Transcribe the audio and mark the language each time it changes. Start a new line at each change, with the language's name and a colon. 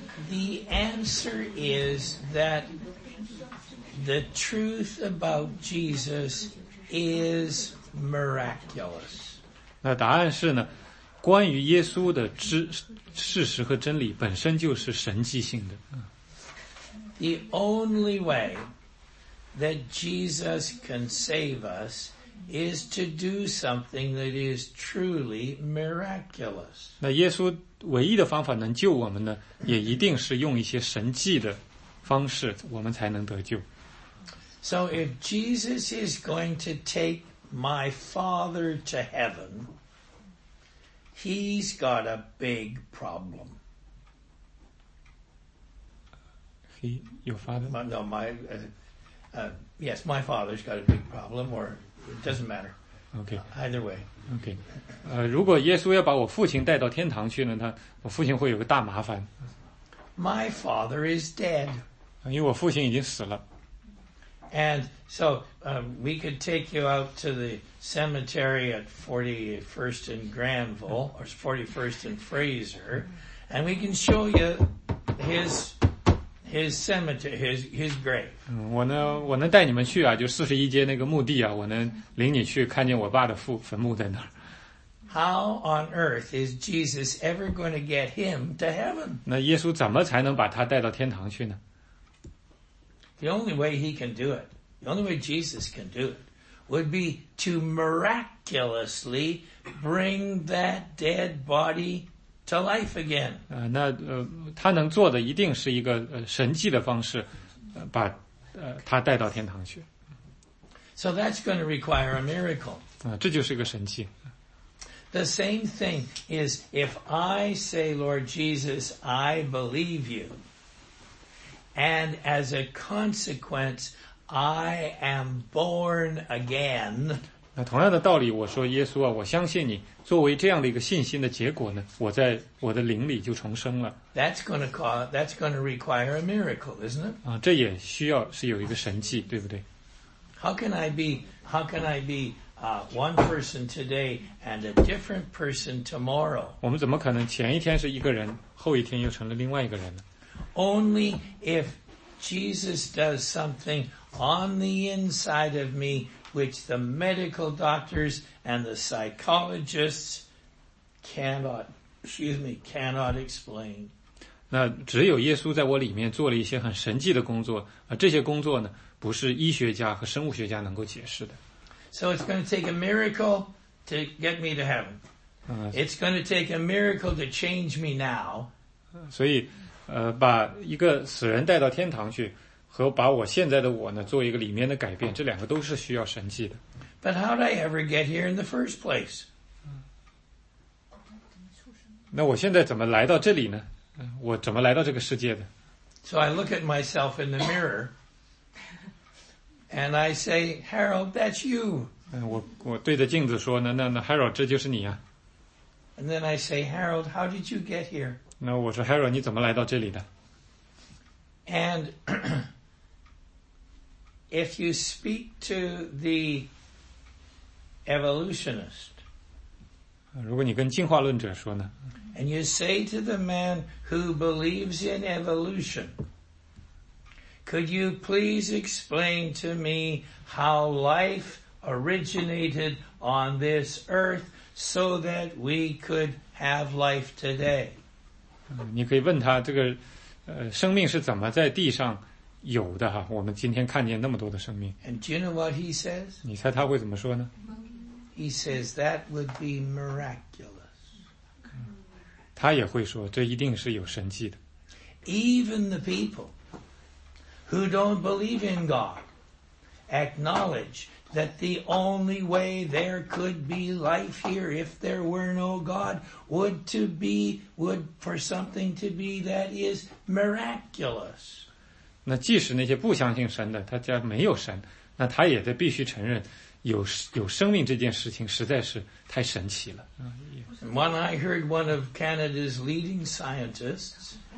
English: The answer is that the truth about Jesus is miraculous.
Chinese: 那答案是呢，关于耶稣的事实和真理本身就是神迹性的。
English: The only way that Jesus can save us is to do something that is truly miraculous.
Chinese: 那耶稣唯一的方法能救我们呢，也一定是用一些神迹的方式，我们才能得救。
English: So if Jesus is going to take my father to heaven, he's got a big problem. My father's got a big problem, or it doesn't matter. OK, either way.
Chinese: OK, 如果耶稣要把我父亲带到天堂去呢，他我父亲会有个大麻烦。
English: My father is dead.
Chinese: 因为我父亲已经死了。
English: And so, we could take you out to the cemetery at 41st and Granville, or 41st and Fraser, and we can show you his cemetery, his grave.
Chinese: 我能带你们去啊，就41街那个墓地啊，我能领你去看见我爸的坟墓在那儿。
English: How on earth is Jesus ever going to get him to heaven?
Chinese: 那耶稣怎么才能把他带到天堂去呢？
English: The only way he can do it, the only way Jesus can do it, would be to miraculously bring that dead body to life again.
Chinese: 那他能做的一定是一个神迹的方式，把他带到天堂去。
English: So that's going to require a miracle.
Chinese: 这就是一个神迹。
English: The same thing is if I say, Lord Jesus, I believe you. And as a consequence, I am born again.
Chinese: 那同样的道理，我说耶稣啊，我相信你。作为这样的一个信心的结果呢，我在我的灵里就重生了。
English: That's going to require a miracle, isn't it?
Chinese: 这也需要是有一个神迹，对不对
English: ？How can I be one person today and a different person tomorrow?
Chinese: 我们怎么可能前一天是一个人，后一天又成了另外一个人呢？
English: Only if Jesus does something on the inside of me, which the medical doctors and the psychologists cannot explain.
Chinese: 那只有耶稣在我里面做了一些很神迹的工作，这些工作呢，不是医学家和生物学家能够解释的。
English: So it's going to take a miracle to get me to heaven. It's going to take a miracle to change me now.
Chinese: 所以把一个死人带到天堂去和把我现在的我呢做一个里面的改变，这两个都是需要神迹的。
English: But how did I ever get here in the first place?
Chinese: 那我现在怎么来到这里呢？我怎么来到这个世界的？
English: So I look at myself in the mirror and I say, Harold, that's you.
Chinese: 我对着镜子说呢，那 Harold, 这就是你啊。
English: And then I say, Harold, how did you get here?
Chinese: 那我说 Harold 你怎么来到这里的
English: And if you speak to the evolutionist,
Chinese: 如果你跟进化论者说呢
English: And you say to the man who believes in evolution, could you please explain to me how life originated on this earth so that we could have life today?
Chinese: 你可以问他这个生命是怎么在地上有的哈，我们今天看见那么多的生命。
English: And do you know what he says?
Chinese: 你猜他会怎么说呢？
English: He says that would be miraculous.
Chinese: 他也会说这一定是有神迹的。
English: Even the people who don't believe in God acknowledge that the only way there could be life here if there were no God would for something to be that is miraculous.
Chinese: 那即使那些不相信神的，他家没有神，那他也得必须承认有生命这件事情实在是太神奇了。
English: And when I heard one of Canada's leading scientists,